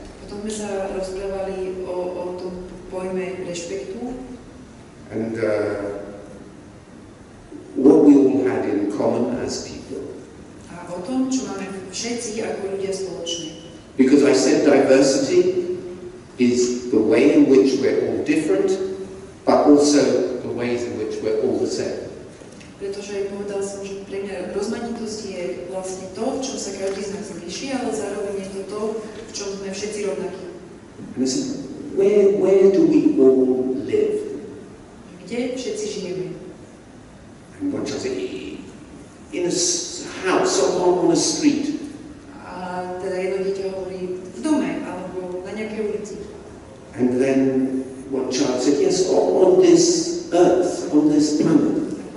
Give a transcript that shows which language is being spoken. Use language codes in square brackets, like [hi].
[sk] Potom sme sa rozprávali o tom pojme rešpektu. [en] And what we all had in common as people. [sk] A o tom, čo máme všetci ako ľudia spoločné. [en] Because I said diversity is the way in which we're all different, but also the ways in which we're all the same. [sk] Pretože povedal som, že pre mňa rozmanitosť je vlastne to, v čom sa každý z nás líši, ale zároveň je to to, v čom sme všetci rovnakí. [en] And listen, where do we all live? [sk] Kde všetci žijeme? [en] And what does it mean? In a house or home on a street? [sk] A teda jedno dieťa hovorí v dome alebo na nejakej ulici. [en] And then one child said, yes, on this earth, on this planet.